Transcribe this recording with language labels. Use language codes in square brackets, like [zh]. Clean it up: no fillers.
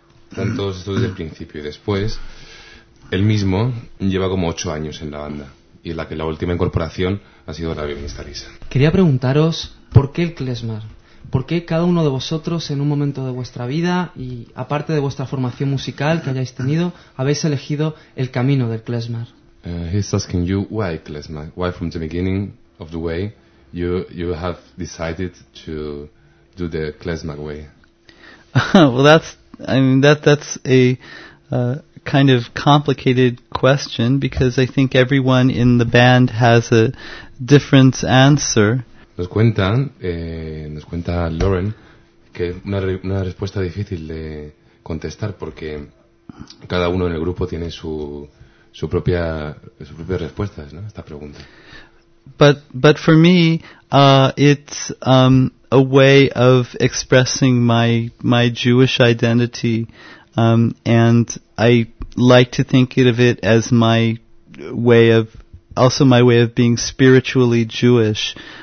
[es] Están todos estos desde el principio, y después él mismo lleva como 8 años en la banda. Y en la que la última incorporación ha sido la violinista Lisa. Quería preguntaros, ¿por qué el klezmer? ¿Por qué cada uno de vosotros en un momento de vuestra vida, y aparte de vuestra formación musical que hayáis tenido, habéis elegido el camino del klezmer? [en] He's asking you why klezmer, why from the beginning of the way you have decided to do the klezmer way. Well, that's a kind of complicated question, because I think everyone in the band has a different answer. [es] Nos cuenta Lauren que una respuesta difícil de contestar, porque cada uno en el grupo tiene su propia respuesta, ¿no?, esta pregunta. [en] But for me, it's a way of expressing my Jewish identity, and I like to think of it as my way of, also my way of being spiritually Jewish.